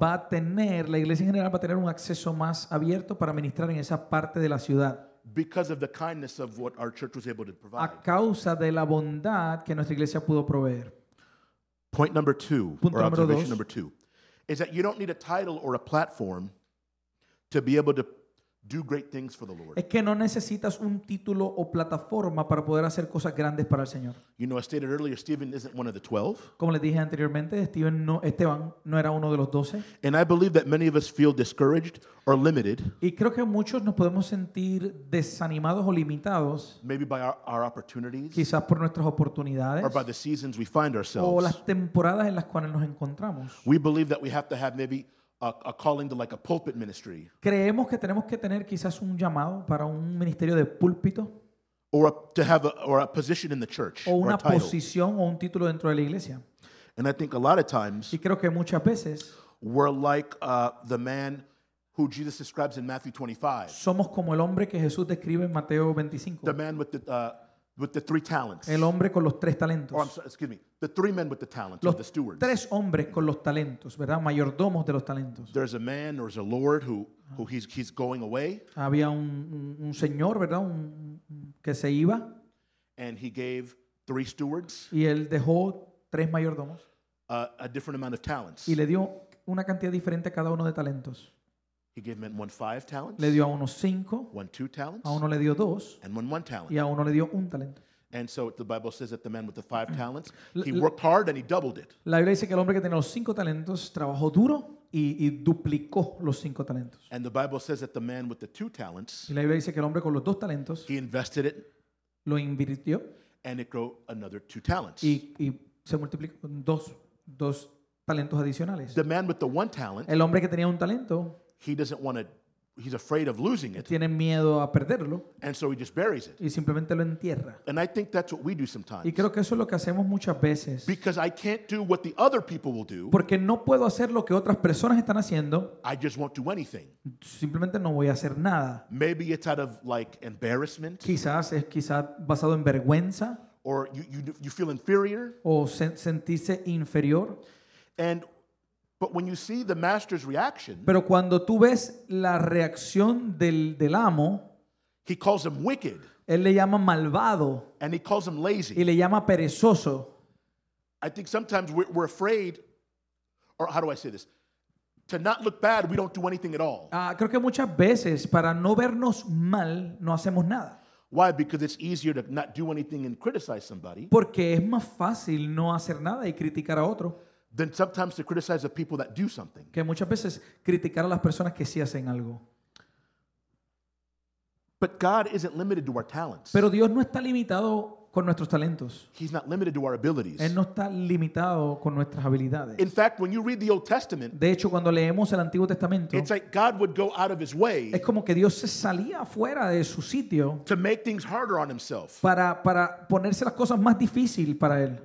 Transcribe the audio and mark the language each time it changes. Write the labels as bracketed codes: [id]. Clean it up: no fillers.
[es] Va a tener, la iglesia en general va a tener un acceso más abierto para ministrar en esa parte de la ciudad. [en] Because of the kindness of what our church was able to provide. [es] A causa de la bondad que nuestra iglesia pudo proveer. [en] Point number two. [es] Punto [en] or observation [es] dos. [en] Number two. Is that you don't need a title or a platform to be able to Do great things for the Lord. [es] Es que no necesitas un título o plataforma para poder hacer cosas grandes para el Señor. [en] You know, I stated earlier, Stephen isn't one of the 12. [es] Como les dije anteriormente, Esteban no era uno de los 12. [en] And I believe that many of us feel discouraged or limited. [es] Y creo que muchos nos podemos sentir desanimados o limitados. [en] Maybe by our opportunities. [es] Quizás por nuestras oportunidades. [en] Or by the seasons we find ourselves. [es] O las temporadas en las cuales nos encontramos. [en] We believe that we have to have maybe a calling to like a pulpit ministry. [es] Creemos que tenemos que tener quizás un llamado para un ministerio de púlpito. [en] Or to have a position in the church. [es] O una posición o un título dentro de la iglesia. [en] And I think a lot of times. [es] Y creo que muchas veces. [en] We're like the man who Jesus describes in Matthew 25. [es] Somos como el hombre que Jesús describe en Mateo 25. [en] The man with the three talents. [es] El hombre con los tres talentos. [en] The three men with the talents, [es] los [en] the stewards. [es] Tres hombres con los talentos, ¿verdad? Mayordomos de los talentos. [en] There's a man or there's a lord who he's going away. [es] Había un señor, ¿verdad? Que se iba. [en] And he gave three stewards. [es] Y él dejó tres mayordomos. [en] A different amount of talents. [es] Y le dio una cantidad diferente a cada uno de talentos. [en] He gave men one 5 talents. [es] Le dio a uno 5. [en] One 2 talents. [es] A uno le dio 2. [en] And one talent. [es] Y a uno le dio un talento. [en] And so the Bible says that the man with the 5 talents, he worked hard and he doubled it. [es] La Biblia dice que el hombre que tenía los 5 talentos trabajó duro y duplicó los 5 talentos. [en] And the Bible says that the man with the 2 talents, [es] y la Biblia dice que el hombre con los 2 talentos, [en] he invested it, [es] lo invirtió, [en] and it grew another 2 talents. [es] Y se multiplicó dos talentos adicionales. [en] The man with the 1 talent, [es] el hombre que tenía un talento, [en] he doesn't want to. He's afraid of losing it. [es] Tiene miedo a perderlo. [en] And so he just buries it. [es] Y simplemente lo entierra. [en] And I think that's what we do sometimes. [es] Y creo que eso es lo que hacemos muchas veces. [en] Because I can't do what the other people will do. [es] Porque no puedo hacer lo que otras personas están haciendo. [en] I just won't do anything. [es] Simplemente no voy a hacer nada. [en] Maybe it's out of like embarrassment. [es] Quizás es quizás basado en vergüenza. [en] Or you feel inferior. [es] O sentirse inferior. [en] But when you see the master's reaction, [es] pero cuando tú ves la reacción del amo, [en] he calls him wicked. [es] Él le llama malvado. [en] And he calls him lazy. [es] Y le llama perezoso. [en] I think sometimes we're afraid, or how do I say this? To not look bad, we don't do anything at all. [es] Creo que muchas veces para no vernos mal, no hacemos nada. [en] Why? Because it's easier to not do anything and criticize somebody. [es] Porque es más fácil no hacer nada y criticar a otro. [en] Then sometimes to criticize the people that do something. [es] Que muchas veces criticar a las personas que sí hacen algo. [en] But God isn't limited to our talents. [es] Pero Dios no está limitado con nuestros talentos. [en] He's not limited to our abilities. [es] Él no está limitado con nuestras habilidades. [en] In fact, when you read the Old Testament, [es] de hecho, cuando leemos el Antiguo Testamento, [en] it's like God would go out of his way. [es] Es como que Dios se salía fuera de su sitio. [en] To make things harder on himself. [es] Para ponerse las cosas más difícil para él.